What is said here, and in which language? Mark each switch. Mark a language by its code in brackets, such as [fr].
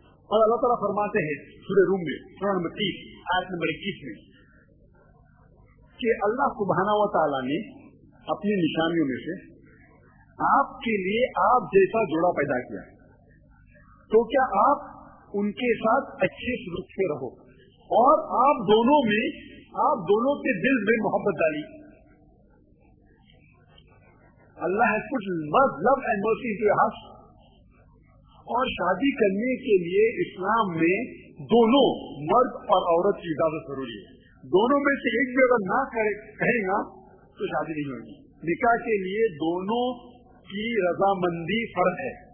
[ur] اور اللہ تعالیٰ فرماتے ہیں سورہ روم میں قرآن مجید آیت نمبر 21 میں کہ اللہ سبحانہ و تعالیٰ نے اپنی نشانیوں میں سے آپ کے لیے آپ جیسا جوڑا پیدا کیا, تو کیا آپ ان کے ساتھ اچھے سلوک سے رہو اور آپ دونوں کے دل میں محبت ڈالی. [en] اللہ has put love and mercy into your heart. [ur] اور شادی کرنے کے لیے اسلام میں دونوں مرد اور عورت کی اجازت ضروری ہے. دونوں میں سے ایک بھی اگر نہ کہے گا تو شادی نہیں ہوگی. نکاح کے لیے دونوں کی رضامندی فرض ہے.